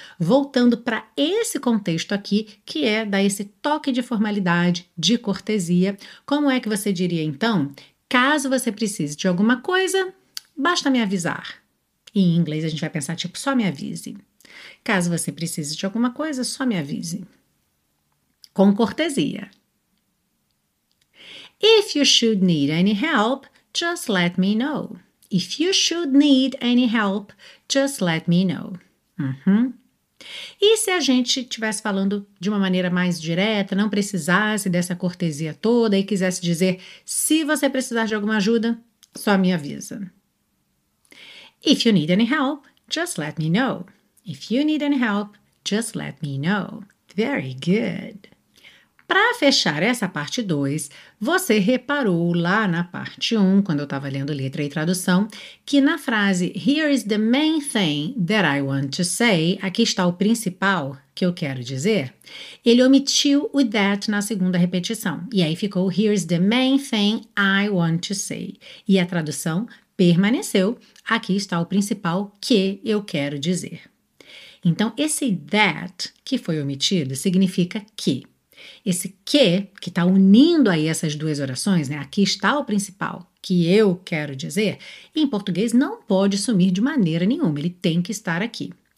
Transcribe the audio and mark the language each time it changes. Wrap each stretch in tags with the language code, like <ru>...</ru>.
<pt>Voltando para esse contexto aqui, que é dar esse toque de formalidade, de cortesia, como é que você diria então? Caso você precise de alguma coisa, basta me avisar. Em inglês a gente vai pensar tipo, só me avise. Caso você precise de alguma coisa, só me avise. Com cortesia.</pt> <en>If you should need any help, just let me know. If you should need any help, just let me know.</en> <pt>E se a gente estivesse falando de uma maneira mais direta, não precisasse dessa cortesia toda e quisesse dizer: se você precisar de alguma ajuda, só me avisa.</pt> <en>If you need any help, just let me know. If you need any help, just let me know. Very good.</en> <pt>Para fechar essa parte 2, você reparou lá na parte 1, quando eu estava lendo letra e tradução, que na frase</pt> <en>Here is the main thing that I want to say,</en> <pt>aqui está o principal que eu quero dizer, ele omitiu o that na segunda repetição. E aí ficou</pt> <en>Here is the main thing I want to say.</en> <pt>E a tradução permaneceu, aqui está o principal que eu quero dizer. Então, esse that que foi omitido significa que. Esse que está unindo aí essas duas orações, né? Aqui está o principal que eu quero dizer, em português não pode sumir de maneira nenhuma, ele tem que estar aqui.</pt>